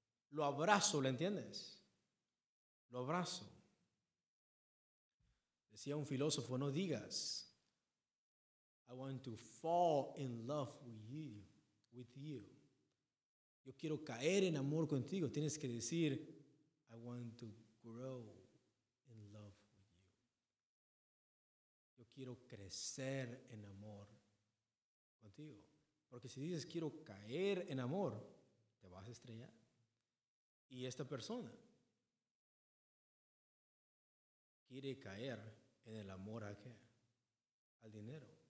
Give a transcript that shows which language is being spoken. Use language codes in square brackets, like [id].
[es] Lo abrazo, ¿lo entiendes? Lo abrazo. Decía un filósofo, no digas, [en] I want to fall in love with you. [es] Yo quiero caer en amor contigo. Tienes que decir, [en] I want to grow in love with you. [es] Yo quiero crecer en amor contigo. Porque si dices, quiero caer en amor, te vas a estrellar. Y esta persona quiere caer en el amor a qué? Al dinero.